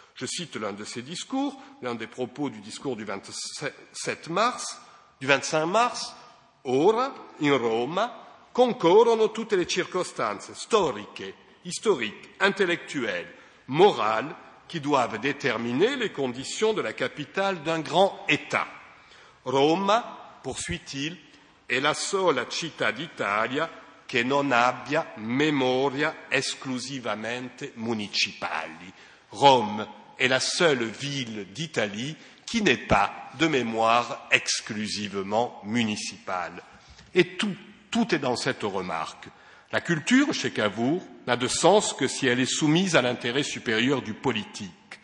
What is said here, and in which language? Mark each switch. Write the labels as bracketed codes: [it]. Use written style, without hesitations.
[fr] Je cite l'un de ses discours, l'un des propos du discours du 27 mars, du 25 mars, « [it] Ora, in Roma, concorrono tutte le circostanze storiche, [fr] historiques, intellectuelles, morales, qui doivent déterminer les conditions de la capitale d'un grand État. [it] Roma, [fr] poursuit-il, [it] è la sola città d'Italia che non abbia memoria esclusivamente municipali. [fr] Rome est la seule ville d'Italie qui n'ait pas de mémoire exclusivement municipale. Et tout est dans cette remarque. La culture, chez Cavour, n'a de sens que si elle est soumise à l'intérêt supérieur du politique.